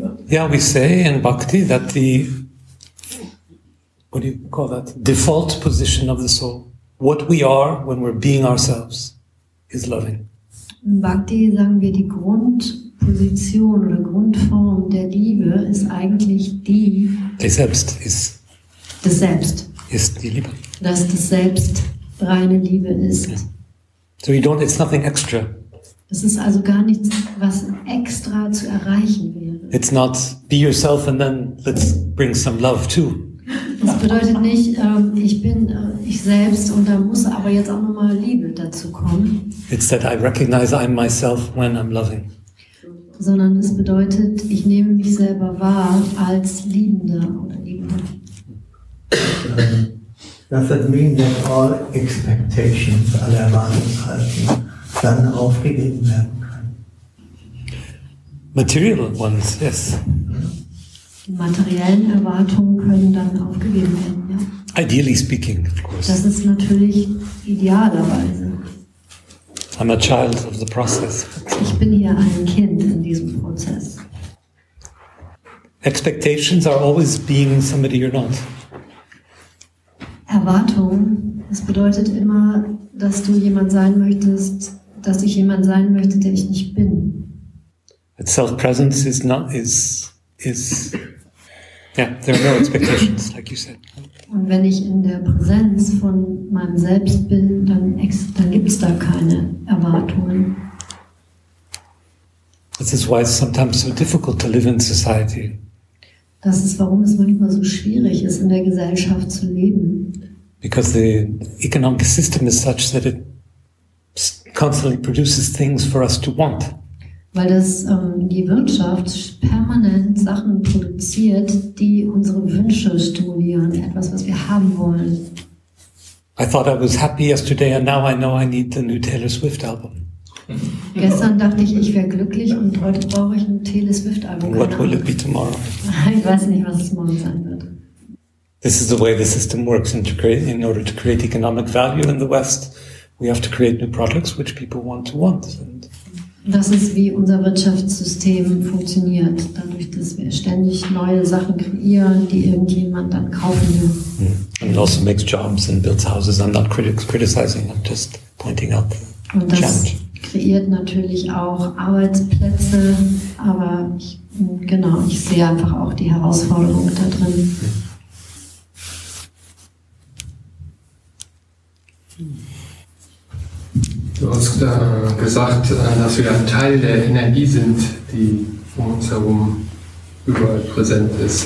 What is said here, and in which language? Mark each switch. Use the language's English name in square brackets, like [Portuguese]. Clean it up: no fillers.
[English] Yeah, we say in bhakti that the, what do you call that, default position of the soul, what we are when we're being ourselves, is loving. [German] In Bhakti sagen wir, die Grundposition oder Grundform der Liebe ist eigentlich die... Das Selbst ist... Das Selbst. Ist die Liebe. Dass das Selbst reine Liebe ist. [English] So you don't, it's nothing extra. [German] Es ist also gar nichts, was extra zu erreichen wäre. [English] It's not be yourself and then let's bring some love too. [German] Das bedeutet nicht, ich bin ich selbst und da muss aber jetzt auch nochmal Liebe dazu kommen. [English] It's that I recognize I'm myself when I'm loving. [German] Sondern es bedeutet, ich nehme mich selber wahr als Liebender oder Liebende. [English] Does that mean that all expectations, [German] alle Erwartungshaltungen, dann aufgegeben werden können? [English] Material ones, yes. [German] Die materiellen Erwartungen können dann aufgegeben werden, ja. [English] Ideally speaking, of course. [German] Das ist natürlich idealerweise. [English] I'm a child of the process. [German] Ich bin hier ein Kind in diesem Prozess. [English] Expectations are always being somebody you're not. [German] Erwartung, das bedeutet immer, dass du jemand sein möchtest, dass ich jemand sein möchte, der ich nicht bin. [English] But self-presence is not, is, yeah, there are no expectations, like you said. [German] Und wenn ich in der Präsenz von meinem Selbst bin, dann gibt es da keine Erwartungen. [English] This is why it's sometimes so difficult to live in society. [German] Das ist, warum es manchmal so schwierig ist, in der Gesellschaft zu leben. [English] Because the economic system is such that it constantly produces things for us to want. [German] Weil das die Wirtschaft permanent Sachen produziert, die unsere Wünsche stimulieren, etwas, was wir haben wollen. [English] I thought I was happy yesterday, and now I know I need the new Taylor Swift album. [German] Gestern dachte ich, ich wäre glücklich und heute brauche ich ein Taylor Swift Album. [English] What will it be tomorrow? [German] Ich weiß nicht, was es morgen sein wird. [English] This is the way the system works in order to create economic value in the West. We have to create new products which people want. And [German] das ist, wie unser Wirtschaftssystem funktioniert, dadurch, dass wir ständig neue Sachen kreieren, die irgendjemand dann kaufen will. [English] And it also makes jobs and builds houses. I'm not criticizing, I'm just pointing out the challenge. [German] Kreiert natürlich auch Arbeitsplätze, aber ich sehe einfach auch die Herausforderung da drin. Du hast gesagt, dass wir ein Teil der Energie sind, die um uns herum überall präsent ist.